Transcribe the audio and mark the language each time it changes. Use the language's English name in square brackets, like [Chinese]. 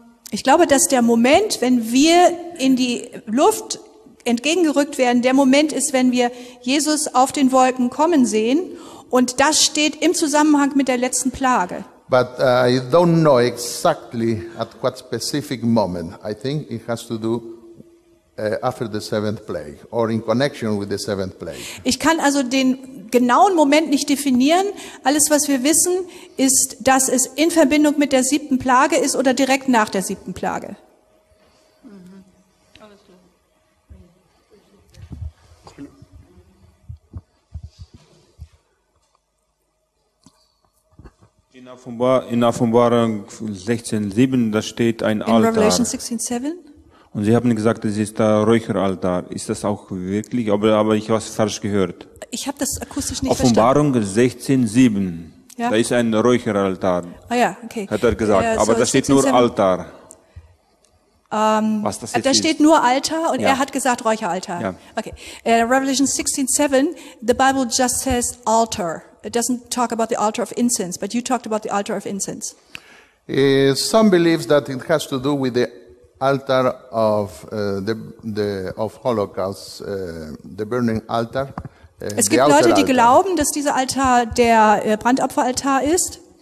[German] Ich glaube, dass der Moment, wenn wir in die Luft entgegengerückt werden, der Moment ist, wenn wir Jesus auf den Wolken kommen sehen, und das steht im Zusammenhang mit der letzten Plage. [English] But I don't know exactly at what specific moment. I think it has to do after the seventh plague or in connection with the seventh plague. [German] Ich kann also den genauen Moment nicht definieren. Alles, was wir wissen, ist, dass es in Verbindung mit der siebten Plage ist oder direkt nach der siebten Plage. In Offenbarung 16,7, da steht ein Altar. [English] In Revelation 16,7? [German] Und Sie haben gesagt, es ist der Räucheraltar. Ist das auch wirklich? Aber ich habe es falsch gehört. Ich habe das akustisch nicht verstanden. Offenbarung 16,7. Ja? Da ist ein Räucheraltar. Ah ja, okay. Hat er gesagt. Ja, so, aber da steht nur Altar. Was das jetzt da ist. Steht nur Altar und ja. Er hat gesagt Räucheraltar. Ja. [English] Okay. Revelation 16,7, the Bible just says altar. It doesn't talk about the altar of incense, but you talked about the altar of incense. Some believes that it has to do with the altar of the of Holocaust, the burning altar. [German] Es gibt Leute, die glauben, dass dieser Altar der Brandopferaltar ist.